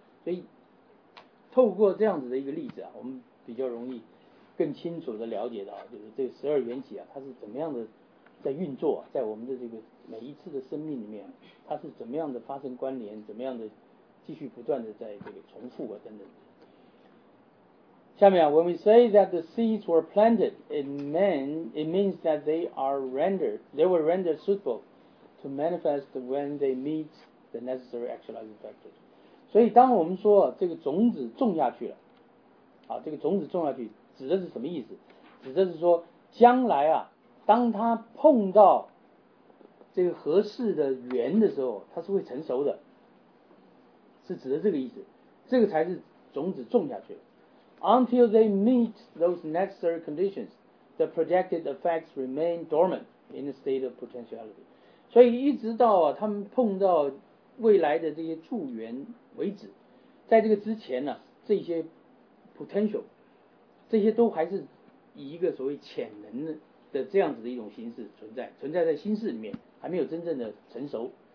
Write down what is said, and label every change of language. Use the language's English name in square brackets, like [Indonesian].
[Chinese] 所以透过这样子的一个例子啊，我们比较容易更清楚的了解到，就是这十二缘起啊，它是怎么样的在运作、啊，在我们的这个每一次的生命里面、啊，它是怎么样的发生关联，怎么样的。继续不断的在这个重复啊等等。下面啊 [English] ，When we say that the seeds were planted in man, it means that they are rendered, they were rendered suitable to manifest when they meet the necessary actualizing factors. [Chinese] 所以当我们说这个种子种下去了，啊，这个种子种下去指的是什么意思？指的是说将来啊，当它碰到这个合适的缘的时候，它是会成熟的。是指的这个意思，这个才是种子种下去了。 [English] Until they meet those necessary conditions, the projected effects remain dormant in a state of potentiality. [Chinese] 所以一直到、啊、他们碰到未来的这些助缘为止，在这个之前呢、啊，这些 potential, 这些都还是以一个所谓潜能的这样子的一种形式存在在心事里面，还没有真正的成熟。